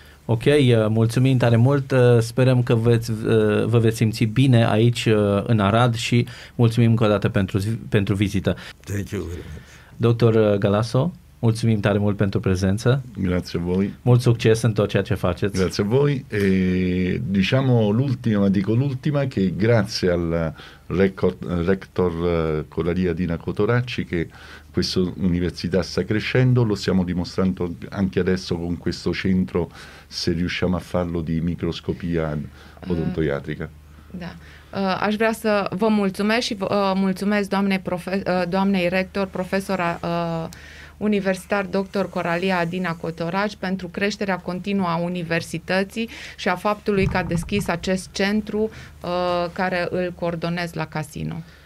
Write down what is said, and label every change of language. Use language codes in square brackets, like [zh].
[ro] Ok, mulțumim tare mult, sperăm că vă veți simți bine aici în Arad și mulțumim încă o dată pentru vizită. [en] Thank you. [ro] Dr. Galasso, mulțumim tare mult pentru prezență. [it] Grazie voi. [ro] Mult succes în tot ceea ce faceți. [it] Grazie voi. E, diciamo l'ultima, dico l'ultima, che grazie al rector Colaria Dina Cotoracci che questa università sta crescendo, lo stiamo dimostrando anche adesso con questo centro, se riusciamo a farlo, di microscopia odontoiatrica. [ro] Da. Aș vrea să vă mulțumesc și mulțumesc doamnei rector, profesora universitar dr. Coralia Adina Cotoraci pentru creșterea continuă a universității și a faptului că a deschis acest centru care îl coordonez la Casino.